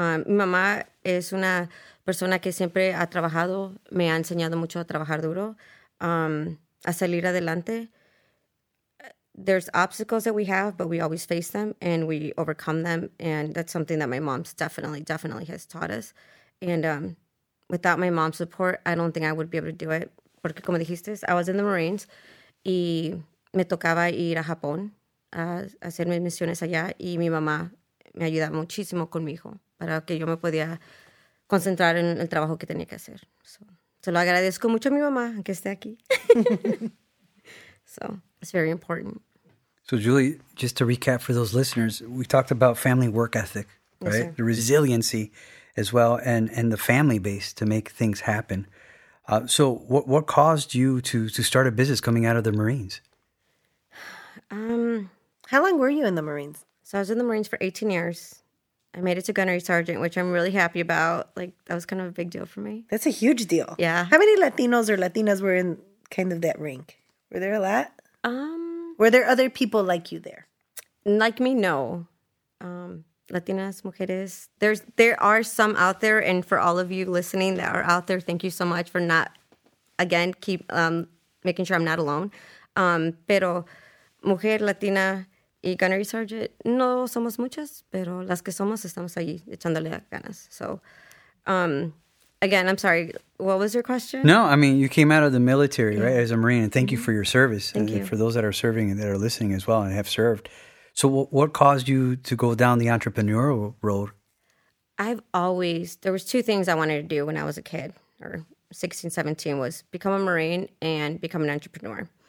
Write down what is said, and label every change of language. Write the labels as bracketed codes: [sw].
[es] Mi mamá es una persona que siempre ha trabajado, me ha enseñado mucho a trabajar duro, a salir adelante. [en] There's obstacles that we have, but we always face them and we overcome them. And that's something that my mom's definitely has taught us. And without my mom's support, I don't think I would be able to do it. [es] Porque como dijiste, [en] I was in the Marines [es] y me tocaba ir a Japón a hacer mis misiones allá. Y mi mamá me ayudaba muchísimo con mi hijo para que yo me podía concentrar en el trabajo que tenía que hacer. So, se lo agradezco mucho a mi mamá que esté aquí. [en] So, it's very important. So, Julie, just to recap for those listeners, we talked about family work ethic, right? Yes, the resiliency as well, and the family base to make things happen. So what caused you to start a business coming out of the Marines? How long were you in the Marines? So I was in the Marines for 18 years. I made it to Gunnery Sergeant, which I'm really happy about. Like, that was kind of a big deal for me. That's a huge deal. Yeah. How many Latinos or Latinas were in kind of that rank? Were there a lot? Were there other people like you there? Like me? No. Latinas, mujeres. There are some out there. And for all of you listening that are out there, thank you so much for not, again, keep making sure I'm not alone. [es] Pero mujer, Latina y Gunnery Sergeant, no somos muchas, pero las que somos estamos ahí echándole ganas. [en] So, again, I'm sorry. What was your question? No, I mean, you came out of the military, yeah, right, as a Marine. And thank you for your service. Thank you. For those that are serving and that are listening as well and have served. So what caused you to go down the entrepreneurial road? There was two things I wanted to do when I was a kid, or 16, 17, was become a Marine and become an entrepreneur.